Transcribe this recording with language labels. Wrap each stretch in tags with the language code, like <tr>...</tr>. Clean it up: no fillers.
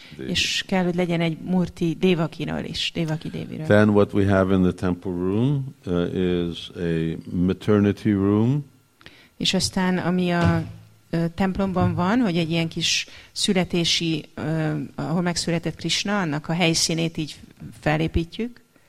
<hu>És kell, hogy legyen egy murti Devakiról is, Devaki Deviről.</hu> <en>Then what we have in the temple room is a maternity room.</en> <hu>És aztán ami a templomban van, hogy egy ilyen kis születési, ahol megszületett Krishna, annak a helyszínét így felépítjük.</hu>